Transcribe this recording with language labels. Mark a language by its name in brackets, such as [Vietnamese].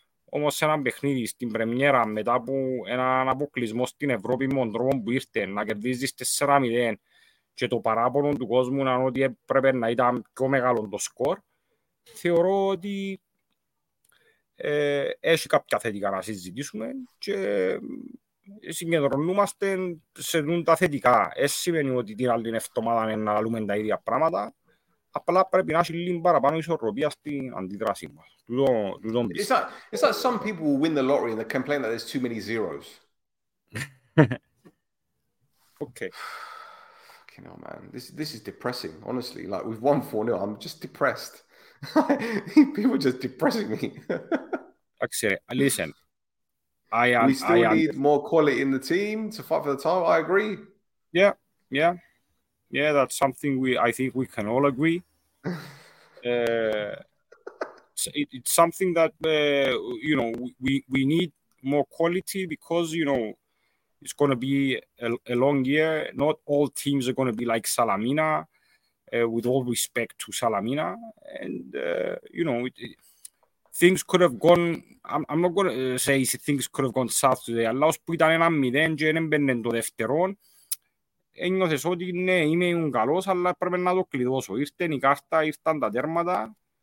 [Greek] Όμως σε ένα παιχνίδι στην πρεμιέρα μετά από έναν αποκλεισμό στην Ευρώπη με τον τρόπο που ήρθε να κερδίζεις 4-0 και το παράπονο του κόσμου να είναι ότι έπρεπε να ήταν πιο μεγάλο το σκορ, θεωρώ ότι έχει κάποια θετικά να συζητήσουμε και συγκεντρωνούμαστε σε δουν τα θετικά. Έτσι σημαίνει ότι την άλλη εβδομάδα να λαλούμε τα ίδια πράγματα. Απλά πρέπει να έχει λίγο παραπάνω ισορροπία στην αντίδρασή μας. Τούτον πιστεύω. [English] It's like some people win the lottery and they complain that there's too many zeros. Okay. Fucking hell, man. This is depressing, honestly. Like, we've won 4-0. I'm just depressed. People are just depressing me. Actually, listen. We need more quality in the team to fight for the title. I agree. Yeah, yeah. Yeah, that's something I think we can all agree. it's something that you know, we need more quality, because you know it's going to be a long year. Not all teams are going to be like Salamina, with all respect to Salamina, and you know, things could have gone. I'm not going to say things could have gone south today. [Greek] Allahos που ήταν ένα μηδέν και δεν μπαίνε το δεύτερον, ένιωθες ότι ναι, είμαι ήμουν καλός, αλλά πρέπει να το κλειδώσω. Ήρθε η κάρτα, ήρθαν τα τέρματα.